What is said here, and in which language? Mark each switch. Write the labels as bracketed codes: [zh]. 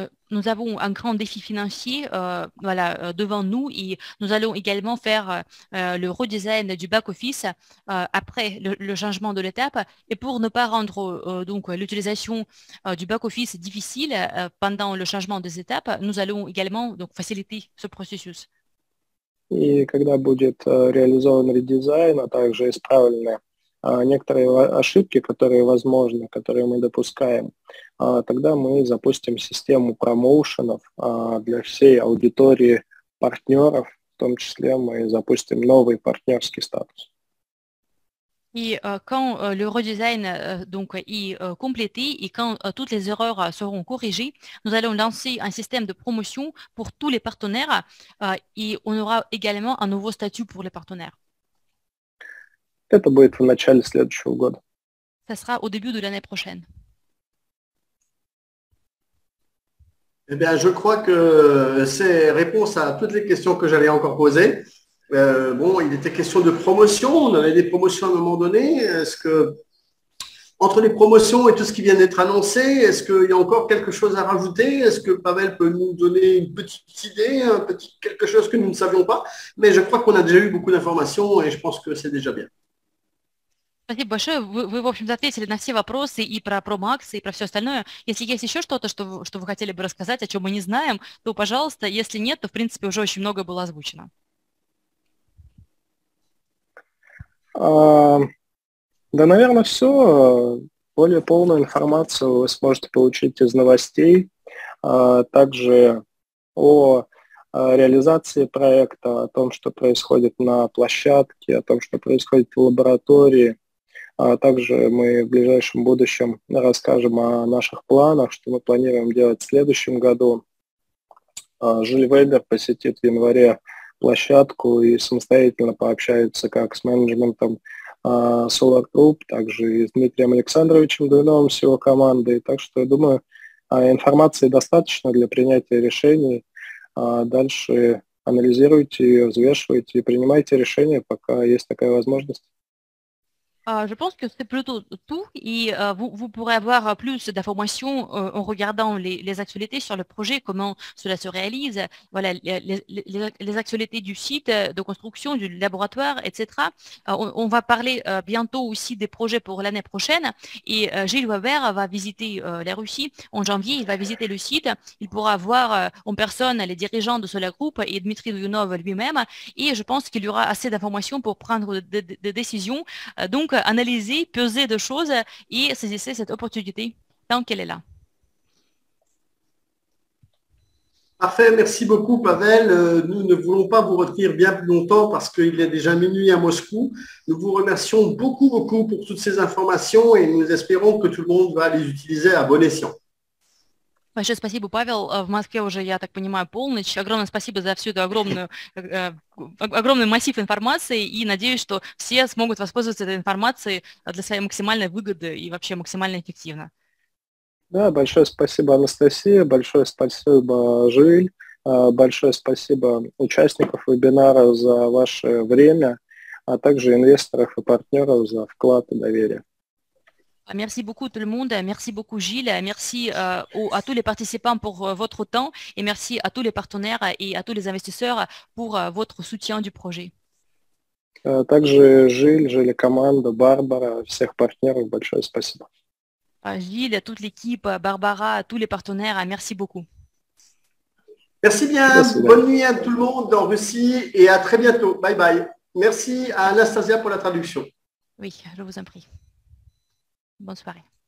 [fr] Nous avons un grand défi financier voilà, devant nous et nous allons également faire le redesign du back-office après le changement de l'étape. Et pour ne pas rendre donc l'utilisation du back-office difficile pendant le changement des étapes, nous allons également donc faciliter ce processus. [ru] И когда будет реализован редизайн, а также исправлены некоторые ошибки, которые возможны, которые мы допускаем, тогда мы запустим систему промоушенов для всей аудитории партнеров, в том числе мы запустим новый партнерский статус. [fr] Et quand le redesign donc est complété et quand toutes les erreurs seront corrigées, nous allons lancer un système de promotion pour tous les partenaires et on aura également un nouveau statut pour les partenaires. [ru] Это будет в начале следующего года. [fr] Ça sera au début de l'année prochaine. Eh bien, je crois que c'est réponse à toutes les questions que j'allais encore poser. Bon, il était question de promotion. On avait des promotions à un moment donné. Est-ce que, entre les promotions et tout ce qui vient d'être annoncé, est-ce qu'il y a encore quelque chose à rajouter? Est-ce que Pavel peut nous donner une petite idée, un petit quelque chose que nous ne savions pas? Mais je crois qu'on a déjà eu beaucoup d'informations et je pense que c'est déjà bien. [ru] Спасибо большое. Вы, в общем-то, ответили на все вопросы и про промо-акции, и про все остальное. Если есть еще что-то, что вы хотели бы рассказать, о чем мы не знаем, то, пожалуйста, если нет, то, в принципе, уже очень многое было озвучено. Да, наверное, все. Более полную информацию вы сможете получить из новостей, также о реализации проекта, о том, что происходит на площадке, о том, что происходит в лаборатории. Также мы в ближайшем будущем расскажем о наших планах, что мы планируем делать в следующем году. Жюль Вебер посетит в январе площадку и самостоятельно пообщается как с менеджментом Solar Group, также и с Дмитрием Александровичем Дуйновым, с его командой. Так что, я думаю, информации достаточно для принятия решений. Дальше анализируйте ее, взвешивайте и принимайте решения, пока есть такая возможность. [fr] Je pense que c'est plutôt tout et vous pourrez avoir plus d'informations en regardant les actualités sur le projet, comment cela se réalise, voilà, les actualités du site de construction, du laboratoire, etc. On va parler bientôt aussi des projets pour l'année prochaine et Gilles Weber va visiter la Russie en janvier, il va visiter le site, il pourra voir en personne les dirigeants de Solar Group et Dmitry Dounov lui-même et je pense qu'il y aura assez d'informations pour prendre des décisions. Donc, analyser, peser de choses et saisir cette opportunité tant qu'elle est là. Parfait, merci beaucoup Pavel. Nous ne voulons pas vous retenir bien plus longtemps parce qu'il est déjà minuit à Moscou. Nous vous remercions beaucoup, beaucoup pour toutes ces informations et nous espérons que tout le monde va les utiliser à bon escient. [ru] Большое спасибо, Павел. В Москве уже, я так понимаю, полночь. Огромное спасибо за всю эту огромный массив информации и надеюсь, что все смогут воспользоваться этой информацией для своей максимальной выгоды и вообще максимально эффективно. Да, большое спасибо, Анастасия, большое спасибо, Жиль, большое спасибо участников вебинара за ваше время, а также инвесторов и партнеров за вклад и доверие. [fr] Merci beaucoup tout le monde, merci beaucoup Gilles, merci à tous les participants pour votre temps et merci à tous les partenaires et à tous les investisseurs pour votre soutien du projet. [ru] Также Жиль, команда, Барбара, всех партнеров, большое спасибо. [fr] Gilles, à toute l'équipe, à Barbara, à tous les partenaires, merci beaucoup. Merci bien, merci. Bonne nuit à tout le monde en Russie et à très bientôt. Bye bye. Merci à Anastasia pour la traduction. Oui, je vous en prie. Bonne soirée.